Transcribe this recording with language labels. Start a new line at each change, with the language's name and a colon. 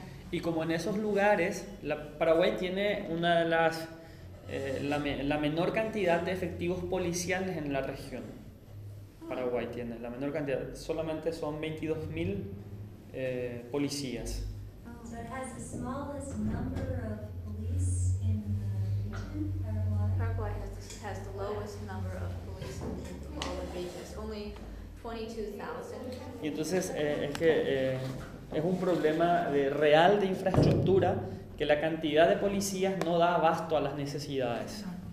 Spanish: Y como en esos lugares, Paraguay tiene una de las la menor cantidad de efectivos policiales en la región. Paraguay tiene la menor cantidad, solamente son 22.000 policías.
English: So it has the smallest number of police in the region. Paraguay has the lowest number of police in all the regions, only 22,000.
Spanish: Y entonces es un problema real de infraestructura, que la cantidad de policías no da abasto a las necesidades.